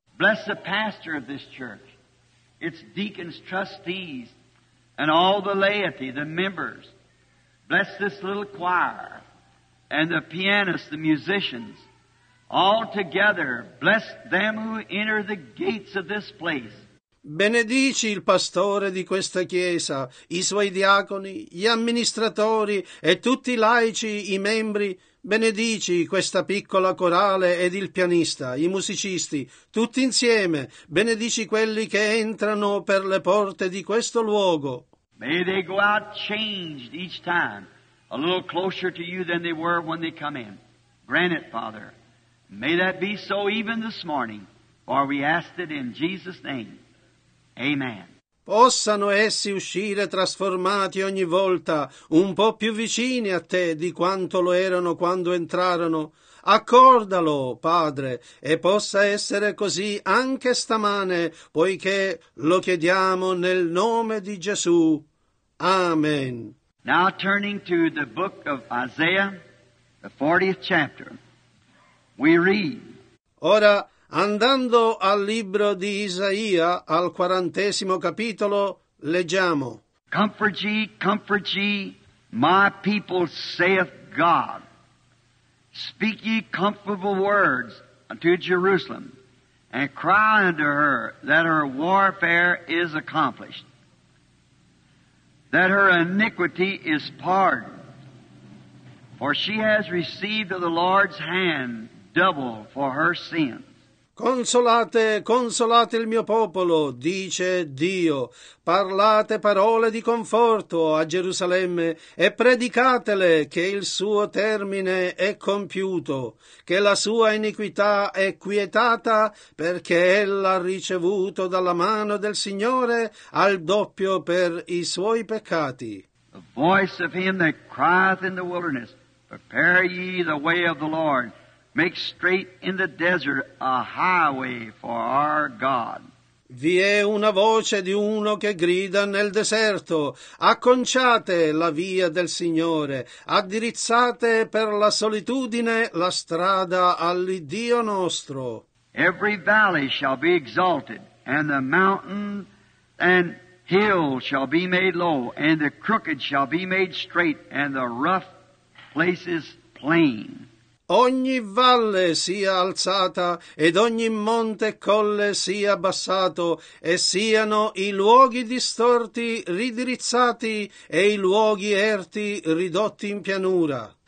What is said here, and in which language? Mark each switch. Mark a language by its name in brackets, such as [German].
[English] Bless the pastor of this church, its deacons, trustees, and all the laity, the members. Bless this little choir, and the pianists, the musicians. All together, bless them who enter the gates of this place. [Italian] Benedici il pastore di questa chiesa, i suoi diaconi, gli amministratori e tutti i laici, i membri. Benedici questa piccola corale ed il pianista, i musicisti, tutti insieme. Benedici quelli che entrano per le porte di questo luogo. [English] May they go out changed each time, a little closer to you than they were when they come in. Grant it, Father. May that be so even this morning, for we ask it in Jesus' name. Amen. [Italian] Possano essi uscire trasformati ogni volta, un po' più vicini a te di quanto lo erano quando entrarono. Accordalo, Padre, e possa essere così anche stamane, poiché lo chiediamo nel nome di Gesù. Amen. [English] Now turning to the book of Isaiah, the 40th chapter. we read. [Italian] Ora, andando al libro di Isaia, al 40° capitolo, leggiamo. [English] Comfort ye, my people, saith God. Speak ye comfortable words unto Jerusalem, and cry unto her that her warfare is accomplished, that her iniquity is pardoned. For she has received of the Lord's hand double for her sin. [Italian] Consolate, consolate il mio popolo, dice Dio. Parlate parole di conforto a Gerusalemme e predicatele che il suo termine è compiuto, che la sua iniquità è quietata perché ella ha ricevuto dalla mano del Signore al doppio per i suoi peccati. [English] The voice of him that crieth in the wilderness, prepare ye the way of the Lord, make straight in the desert a highway for our God. [Italian] Vi è una voce di uno che grida nel deserto, acconciate la via del Signore, addirizzate per la solitudine la strada all'Iddio nostro. [English] Every valley shall be exalted, and the mountain and hill shall be made low, and the crooked shall be made straight, and the rough places plain. [Italian] Ogni valle sia alzata ed ogni monte e colle sia abbassato e siano i luoghi distorti ridirizzati e i luoghi erti ridotti in pianura.